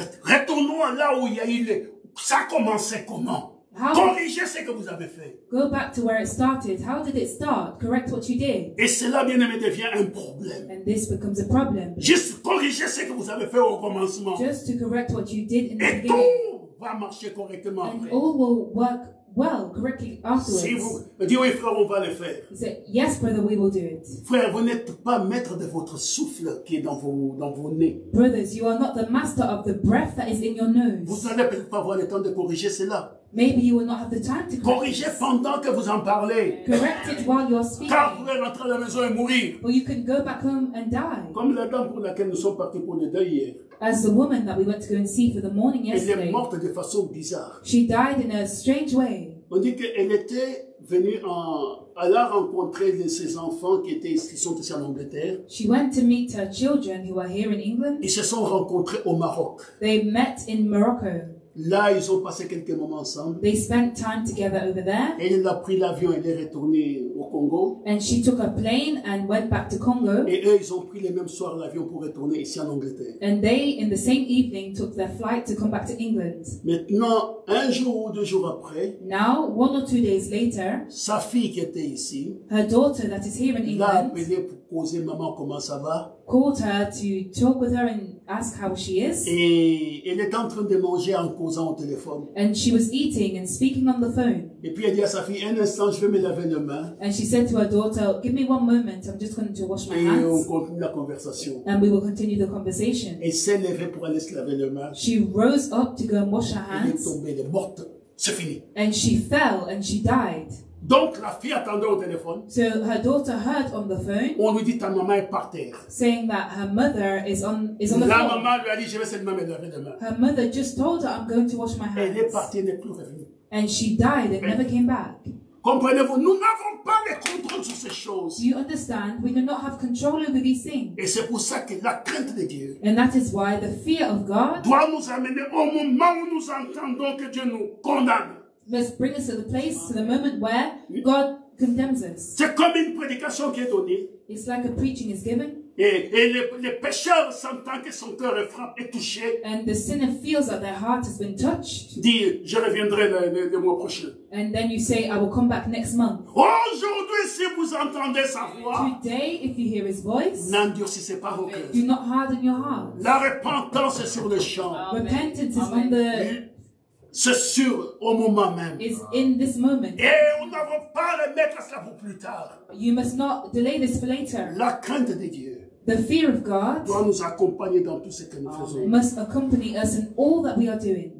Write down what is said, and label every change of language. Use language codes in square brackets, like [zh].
[fr] Retournons là où il y a eu le... Ça commençait comment? [en] How... [fr] Corrigez ce que vous avez fait. [en] Go back to where it started. How did it start? Correct what you did. [fr] Et cela, bien-aimé, devient un problème. [en] And this becomes a problem. [fr] Juste corrigez ce que vous avez fait au commencement. [en] Just to correct what you did in the [fr] et [en] beginning. [fr] Et tout va marcher correctement. [en] And all will work well, correctly afterwards. [fr] Si vous, dis oui, frère, on va le faire. [en] Say, yes, brother, we will do it. [fr] Frère, vous n'êtes pas maître de votre souffle qui est dans vos nez. [en] Brothers, you are not the master of the breath that is in your nose. [fr] Vous n'allez peut-être pas avoir le temps de corriger cela. [en] Maybe you will not have the time to [fr] corrigez [en] this. [fr] Pendant que vous en parlez. [en] Correct it while you're speaking. [fr] Car vous pouvez rentrer à la maison et mourir. [en] Or you can go back home and die. [fr] Comme la dame pour laquelle nous sommes partis pour le deuil hier. [en] As the woman that we went to go and see for the mourning yesterday. [fr] Elle est morte de façon bizarre. [en] She died in a strange way. [fr] On dit qu'elle était venue en elle a rencontré ses enfants qui sont ici en Angleterre. [en] She went to meet her children who are here in England. [fr] Ils se sont rencontrés au Maroc. [en] They met in Morocco. [fr] Là, ils ont passé quelques moments ensemble. [en] They spent time together over there. [fr] Elle a pris l'avion, elle est retournée au Congo. [en] And she took a plane and went back to Congo. [fr] Et eux, ils ont pris le même soir l'avion pour retourner ici en Angleterre. [en] And they, in the same evening, took their flight to come back to England. [fr] Maintenant, un jour ou deux jours après, [en] now, one or two days later, [fr] sa fille qui était ici, [en] her daughter that is here in England, [fr] l'a appelée pour poser maman comment ça va. [en] Called her to talk with her and ask how she is. [fr] Et elle était en train de manger en causant au téléphone. [en] And she was eating and speaking on the phone. [fr] Et puis elle dit à sa fille, un instant, je vais me laver les mains. [en] And she said to her daughter, give me one moment, I'm just going to wash my hands. [fr] Et on continue la conversation. [en] And we will continue the conversation. [fr] Et s'est levée pour aller se laver les mains. [en] She rose up to go and wash her hands. [fr] Elle est tombée, elle est morte. C'est fini. [en] And she fell and she died. [fr] Donc la fille attendait au téléphone. [en] So her daughter heard on the phone. [fr] On lui dit ta maman est par terre. [en] Saying that her mother is on the [fr] la [en] phone. [fr] La maman lui a dit je vais seulement me laver demain. [en] Her mother just told her I'm going to wash my hands. [fr] Elle est partie, elle n'est plus revenue. [en] And she died and never came back. [fr] Comprenez-vous, nous n'avons pas le contrôle sur ces choses. [en] You understand, we do not have control over these things. [fr] Et c'est pour ça que la crainte de Dieu. [en] And that is why the fear of God. [fr] Doit nous amener au moment où nous entendons que Dieu nous condamne. [en] Must bring us to the place, to the moment where God condemns us. [fr] C'est comme une prédication qui est donnée. [en] It's like a preaching is given. [fr] Et le pécheur sentant que son cœur est frappé et touché. [en] And the sinner feels that their heart has been touched. [fr] Dit, je reviendrai le mois prochain. [en] And then you say, I will come back next month. [fr] Aujourd'hui, si vous entendez sa voix. [en] Today, if you hear his voice. [fr] N'endurcissez pas vos cœurs. [en] Do not harden your heart. [fr] La repentance est sur le champ. [en] Amen. Repentance is on the... [fr] C'est sûr au moment même. [en] It's in this moment. [fr] Et nous n'avons pas le mettre cela pour plus tard. [en] You must not delay this for later. [fr] La crainte de Dieu. [en] The fear of God. [fr] Doit nous accompagner dans tout ce que nous faisons. [en] Must accompany us in all that we are doing.